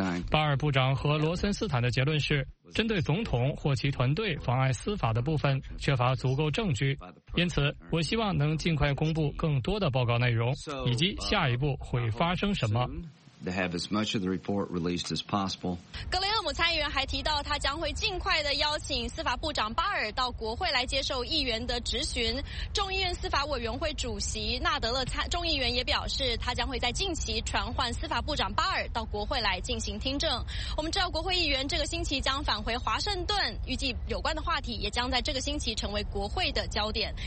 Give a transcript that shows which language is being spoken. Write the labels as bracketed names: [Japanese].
[Chinese] 巴尔部长和罗森斯坦的结论是，针对总统或其团队妨碍司法的部分缺乏足够证据，因此我希望能尽快公布更多的报告内容以及下一步会发生什么。 [English] To have as much of the report released as possible. [Chinese] 格雷厄姆参议员还提到，他将会尽快的邀请司法部长巴尔到国会来接受议员的质询。众议院司法委员会主席纳德勒众议员也表示，他将会在近期传唤司法部长巴尔到国会来进行听证。我们知道，国会议员这个星期将返回华盛顿，预计有关的话题也将在这个星期成为国会的焦点。